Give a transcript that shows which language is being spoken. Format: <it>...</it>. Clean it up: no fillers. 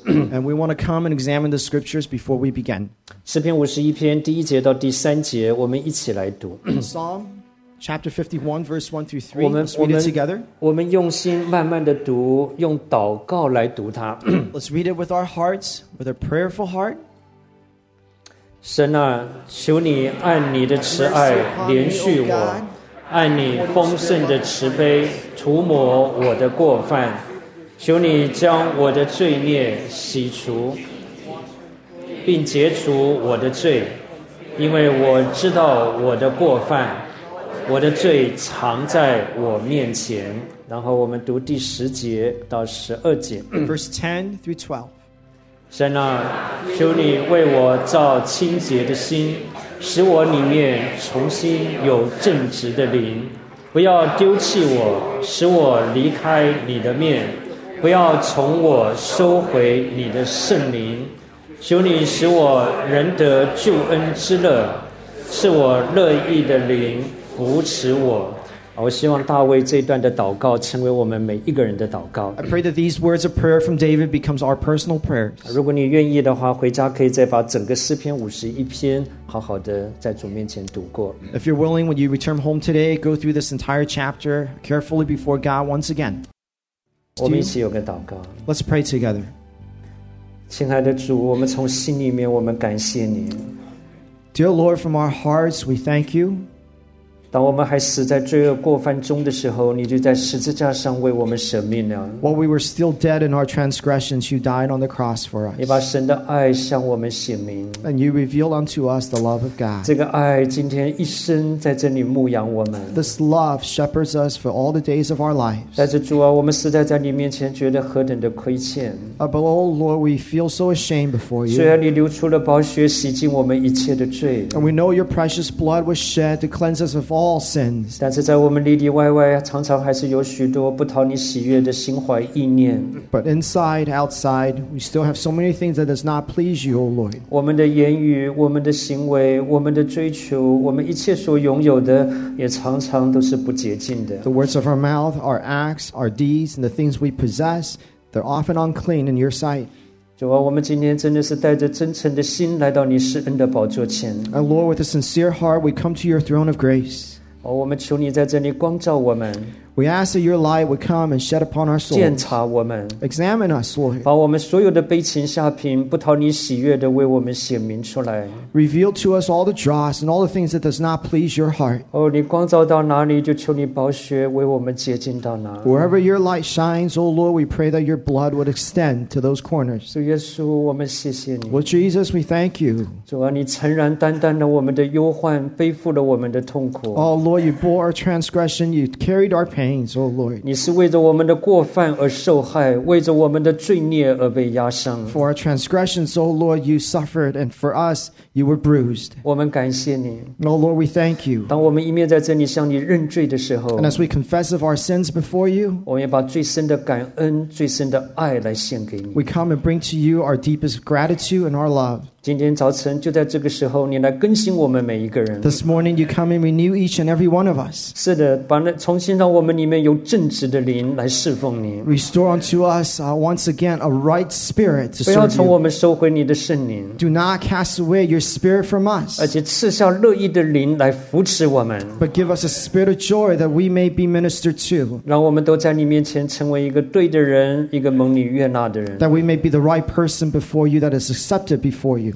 <en>And we want to come and examine the scriptures before we begin.</en> <zh>诗篇五十一篇第一节到第三节，我们一起来读。</zh> <en>Psalm chapter 51, verse 1 through 3. Let's read it together.</en> <zh>我们用心慢慢的读，用祷告来读它。</zh> <en>Let's read it with our hearts, with a prayerful heart.</en> <zh>神啊，求你按你的慈爱连续我。按你丰盛的慈悲涂抹我的过犯，求你将我的罪孽洗除，并解除我的罪，因为我知道我的过犯，我的罪藏在我面前。然后我们读第十节到十二节。</zh> <en>Verse 10 through 12.</en> <zh>神啊，求你为我造清洁的心，使我里面重新有正直的灵，不要丢弃我，使我离开你的面，不要从我收回你的圣灵。求你使我仍得救恩之乐，是我乐意的灵扶持我。我希望大卫这段的祷告成为我们每一个人的祷告。</zh> <en>I pray that these words of prayer from David becomes our personal prayers.</en> <zh>如果你愿意的话，回家可以再把整个诗篇五十一篇好好的在主面前读过。</zh> <en>If you're willing, when you return home today, go through this entire chapter carefully before God once again.</en> <zh>我们一起有个祷告。</zh> <en>Let's pray together.</en> <zh>亲爱的主，我们从心里面我们感谢你。</zh> <en>Dear Lord, from our hearts, we thank you.</en> <zh>当我们还死在罪恶过犯中的时候，你就在十字架上为我们舍命了。</zh> <en>While we were still dead in our transgressions, you died on the cross for us.</en> <zh>你把神的爱向我们显明。</zh> <en>And you revealed unto us the love of God.</en> <zh>这个爱今天一生在这里牧养我们。</zh> <en>This love shepherds us for all the days of our lives.</en> <zh>但是主啊，我们实在在你面前觉得何等的亏欠。</zh> <en>But oh Lord, we feel so ashamed before you.</en> <zh>虽然你流出了宝血，洗净我们一切的罪。</zh> <en>And we know your precious blood was shed to cleanse us of all. All sins.</en> <zh>但是在我们里里外外常常还是有许多不讨你喜悦的心怀意念。</zh> <en>But inside, outside, we still have so many things that does not please you, O Lord.</en> <zh>我们的言语，我们的行为，我们的追求，我们一切所拥有的也常常都是不洁净的。</zh> <en>The words of our mouth, our acts, our deeds, and the things we possess, they're often unclean in your sight.</en> <zh>主啊，我们今天真的是带着真诚的心来到你施恩的宝座前。</zh> <en>And Lord, with a sincere heart, we come to your throne of grace.</en> <zh>我们求你在这里光照我们。</zh> <en>We ask that your light would come and shed upon our souls.</en> <zh>检查我们。</zh> <en>Examine us, Lord.</en> <zh>把我们所有的悲情下品，不讨你喜悦的为我们显明出来。</zh> <en>Reveal to us all the dross and all the things that does not please your heart.</en> <zh>你光照到哪里，就求你宝血为我们洁净到哪。</zh> <en>Wherever your light shines, O Lord, we pray that your blood would extend to those corners.</en> <zh>主耶稣，我们谢谢你。</zh> <en>Lord Jesus, we thank you.</en> <zh>主啊，你诚然担当了我们的忧患，背负了我们的痛苦。</zh> <en>Oh Lord, you bore our transgression, you carried our pain.</en> <zh>你是为着我们的过犯而受害，为着我们的罪孽而被压伤。</zh> <en>For our transgressions, O Lord, you suffered, and for us, you were bruised.</en> <zh>我们感谢你。</zh> <en>O Lord, we thank you.</en> <zh>当我们一面在这里向你认罪的时候</zh> <en>，and as we confess of our sins before you,</en> <zh>我们也把最深的感恩、最深的爱来献给你。</zh> <en>We come and bring to you our deepest gratitude and our love.</en> <zh>今天早晨就在这个时候，你来更新我们每一个人。</zh> <en>This morning you come and renew each and every one of us.</en> <zh>是的，把那重新让我们里面有正直的灵来侍奉你。</zh> <en>Restore unto us, once again a right spirit to serve you.</en> <zh>不要从我们收回你的圣灵。</zh> <en>Do not cast away your spirit from us.</en> <zh>而且赐下乐意的灵来扶持我们。</zh> <en>But give us a spirit of joy that we may be ministered to.</en> <zh>让我们都在你面前成为一个对的人，一个蒙你悦纳的人。</zh> <en>That we may be the right person before you that is accepted before you.</en>